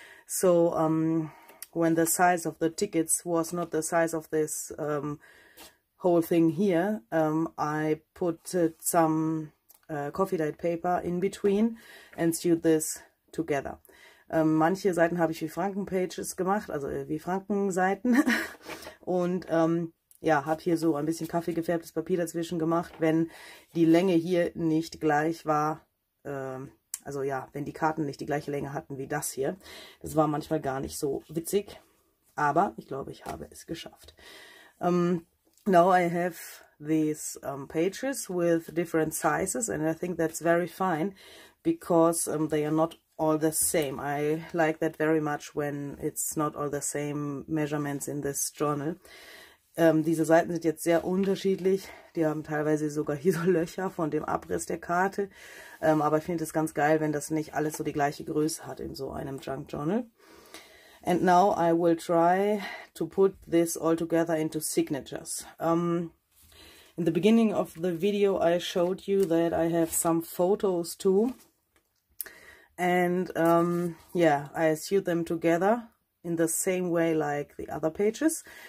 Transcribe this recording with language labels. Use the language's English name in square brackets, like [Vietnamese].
[English] So, when the size of the tickets was not the size of this whole thing here, I put some coffee dyed paper in between and sewed this together. [German] Manche Seiten habe ich wie Frankenpages gemacht, also wie Frankenseiten, und habe hier so ein bisschen kaffeegefärbtes Papier dazwischen gemacht, wenn die Länge hier nicht gleich war. Wenn die Karten nicht die gleiche Länge hatten wie das hier. Das war manchmal gar nicht so witzig, aber ich glaube, ich habe es geschafft. [English] Now I have these pages with different sizes, and I think that's very fine, because they are not all the same. I like that very much when it's not all the same measurements in this journal. [German] Diese Seiten sind jetzt sehr unterschiedlich. Die haben teilweise sogar hier so Löcher von dem Abriss der Karte. Aber ich finde es ganz geil, wenn das nicht alles so die gleiche Größe hat in so einem Junk Journal. [English] And now I will try to put this all together into signatures. In the beginning of the video I showed you that I have some photos too. And I sewed them together in the same way like the other pages.